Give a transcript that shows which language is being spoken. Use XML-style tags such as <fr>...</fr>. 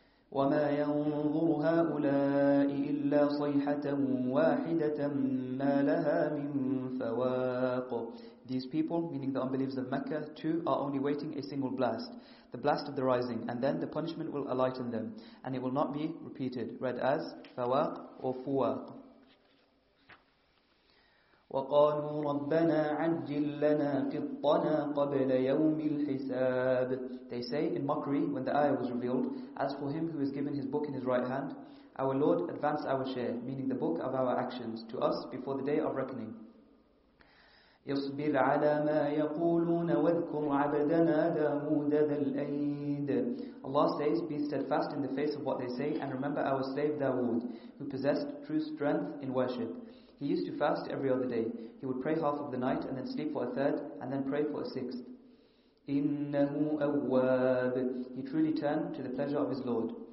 <ar>وَمَا يَنْظُرُ هَؤُلَاءِ إِلَّا صَيْحَةً وَاحِدَةً مَا لَهَا مِنْ فَوَاقُ.</ar> <en>These people, meaning the unbelievers of Mecca, too, are only waiting a single blast, the blast of the rising, and then the punishment will alight on them, and it will not be repeated, read as فَوَاقُ or فُوَاقُ.</en> <ar>وقالوا ربنا عجل لنا قطنا قبل يوم الحساب.</ar> <en>They say in mockery when the ayah was revealed, as for him who is given his book in his right hand, our Lord advance our share, meaning the book of our actions, to us before the day of reckoning.</en> <ar>يصبر على ما يقولون واذكر عبدنا داود ذا الأيد.</ar> <en>Allah says, be steadfast in the face of what they say and remember our slave Dawood, who possessed true strength in worship. He used to fast every other day. He would pray half of the night and then sleep for a third and then pray for a sixth.</en> <ar>إِنَّهُ أَوَّابٌ.</ar> <en>He truly turned to the pleasure of his Lord.</en>